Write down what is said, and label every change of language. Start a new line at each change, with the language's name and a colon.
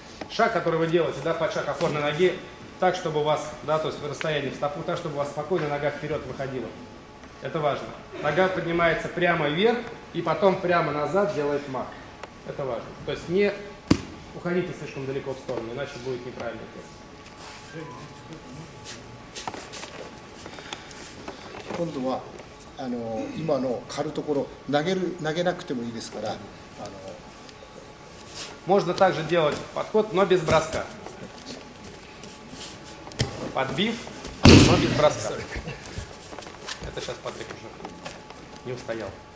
Russian: Шаг, который вы делаете, да, под шаг опорной ноги, так, чтобы у вас, да, то есть в расстоянии в стопу, так, чтобы у вас спокойно нога вперед выходила. Это важно. Нога поднимается прямо вверх и потом прямо назад делает мах. Это важно. То есть не уходите слишком далеко в сторону, иначе будет неправильный тест. Кондуа.
Japanese: あの今の刈るところ投げる投げなくてもいいですから。
Russian: можно также делать подход, но без броска. Подбив, но без броска. Это сейчас Патрик уже не устоял.